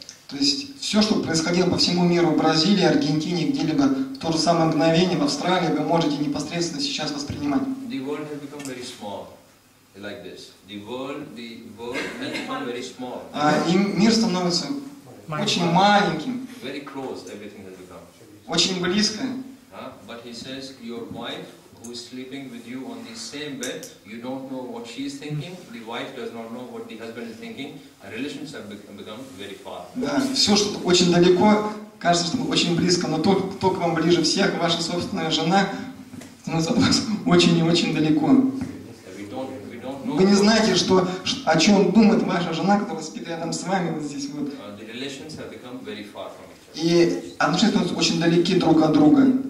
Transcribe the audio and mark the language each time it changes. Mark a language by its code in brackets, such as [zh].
[ru] То есть все, что происходило по всему миру, в Бразилии, Аргентине, где-либо, в то же самое мгновение, в Австралии, вы можете непосредственно сейчас воспринимать. [en] The world has become very small. Like this. The world has become very small. [ru] И мир становится очень маленьким. [en] Very close, everything has become. [ru] Очень близко. [en] But he says, your wife, who is sleeping with you on the same bed, you don't know what she is thinking, the wife does not know what the husband is thinking, relations have become very far. [ru] Да, все, что очень далеко, кажется, что очень близко, но то, к вам ближе всех, ваша собственная жена, становится от вас очень и очень далеко. Вы не знаете, что, о чем думает ваша жена, которая спит рядом с вами вот здесь вот. [en] The relations have become very far from each other. [ru] И отношения становятся очень далеки друг от друга.